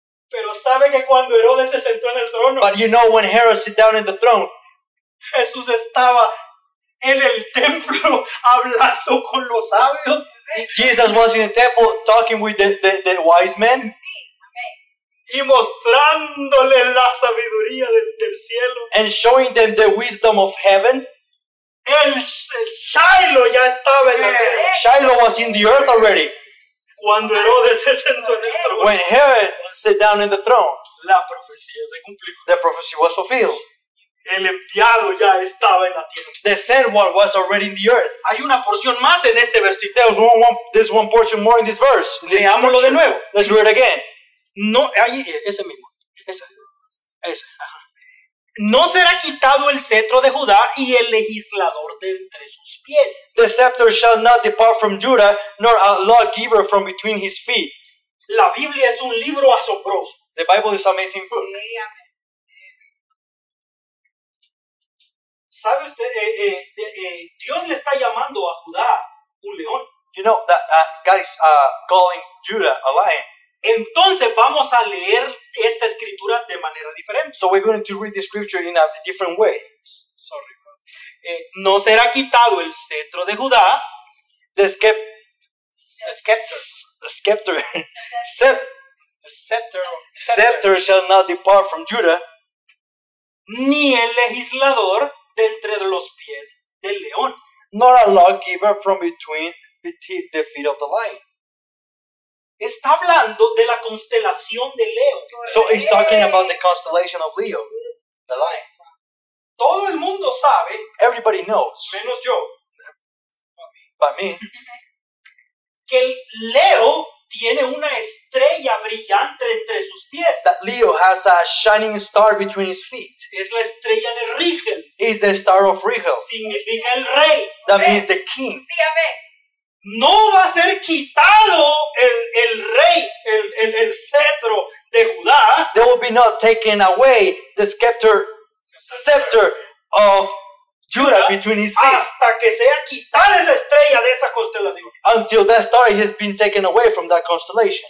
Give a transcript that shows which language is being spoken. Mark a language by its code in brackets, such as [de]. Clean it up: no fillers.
[es] Pero sabe que cuando Herodes se sentó en el trono. [en] But you know when Herod sat down in the throne. [es] Jesús estaba en el templo hablando con los sabios. [en] Jesus was in the temple talking with the wise men. [es] Y mostrándole la sabiduría del cielo. [en] And showing them the wisdom of heaven. [es] El Shiloh ya estaba en la tierra. [en] Shiloh was in the earth already. [es] Cuando Herodes se sentó en el trono. [en] When Herod sat down in the throne. [es] La profecía se cumplió. [en] The prophecy was fulfilled. [es] El enviado ya estaba en la tierra. [en] The sent one was already in the earth. [es] Hay una porción más en este versículo. [en] There was one portion more in this verse. [es] Leámoslo de nuevo. [en] Let's read it again. [es] No, ahí, ese mismo. Ese. No será quitado el cetro de Judá y el legislador de entre sus pies. [en] The scepter shall not depart from Judah, nor a lawgiver from between his feet. [es] La Biblia es un libro asombroso. [en] The Bible is an amazing book. [es] ¿Sabe usted? Dios le está llamando a Judá un león. [en] You know that God is calling Judah a lion. [es] Entonces vamos a leer esta escritura de manera diferente. [en] So we're going to read the scripture in a different way. Sorry. [es] No será quitado el cetro de Judá. [en] The scepter. Scepter shall not depart from Judah. [es] Ni el legislador de entre los pies del león. [en] Nor a lawgiver from between the feet of the lion. [es] Está hablando de la constelación de Leo. [en] So he's talking about the constellation of Leo, the lion. [es] Todo el mundo sabe. [en] Everybody knows. [es] Menos yo. [en] But me. [es] Que Leo tiene una estrella brillante entre sus pies. [en] That Leo has a shining star between his feet. [es] Es la estrella de Rigel. [en] Is the star of Rigel. [es] Significa el rey. [en] That means the king. [es] Sí, amén. No va a ser quitado el rey, el cetro de Judá. [en] There will be not taken away the scepter of Judah between his feet. [es] Hasta que sea quitada esa estrella de esa constelación. [en] Until that star has been taken away from that constellation.